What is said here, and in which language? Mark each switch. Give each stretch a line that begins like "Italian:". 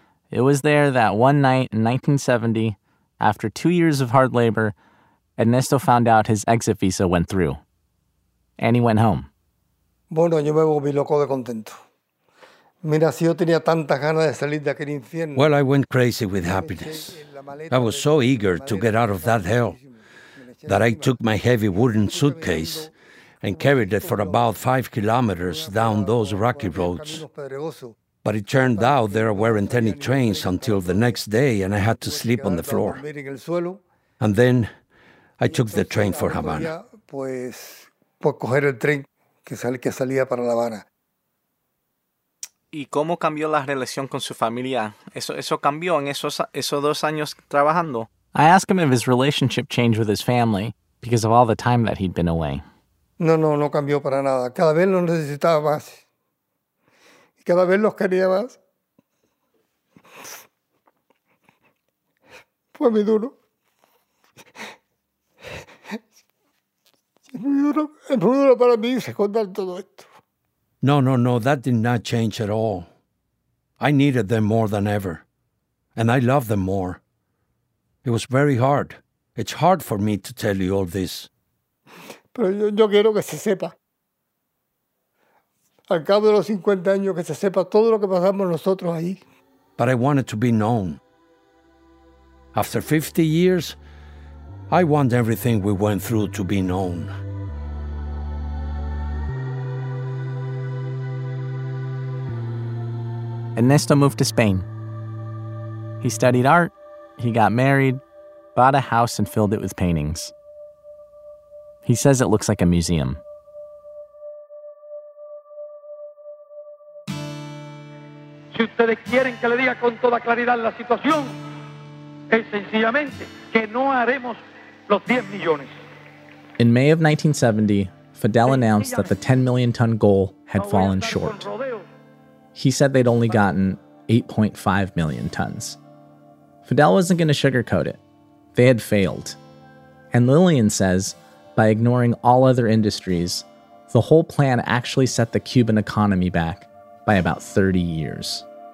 English: It was there that one night in 1970, after 2 years of hard labor, Ernesto found out his exit visa went through. And he went home.
Spanish: Bueno, yo me volví loco de contento. Mira, si yo tenía tantas ganas de salir de aquel infierno.
English: Well, I went crazy with happiness. I was so eager to get out of that hell that I took my heavy wooden suitcase and carried it for about 5 kilometers down those rocky roads. But it turned out there weren't any trains until the next day and I had to sleep on the floor. And then I took the train for Havana.
Spanish: Pues coger el tren. Que salía para La Habana. ¿Y cómo cambió la relación con su familia? ¿Eso cambió en esos 2 años trabajando?
English: I asked him if his relationship changed with his family because of all the time that he'd been away.
Spanish: No cambió para nada. Cada vez los necesitaba más. Cada vez los quería más. Fue muy duro.
English: No, that did not change at all. I needed them more than ever, and I love them more. It was very hard. It's hard for me to tell you all this.
Spanish: Pero yo quiero que se sepa. al cabo de los 50 años que se sepa todo lo que pasamos nosotros ahí.
English: But I wanted to be known. After 50 years, I want everything we went through to be known. Ernesto moved to Spain. He studied art, he got married, bought a house and filled it with paintings. He says it looks like a museum.
Spanish: Si ustedes quieren que le diga con toda claridad la situación, es sencillamente que no haremos los 10 millones.
English: In May of 1970, Fidel announced that the 10 million ton goal had fallen short. He said they'd only gotten 8.5 million tons. Fidel wasn't going to sugarcoat it. They had failed. And Lillian says, by ignoring all other industries, the whole plan actually set the Cuban economy back by about 30 years.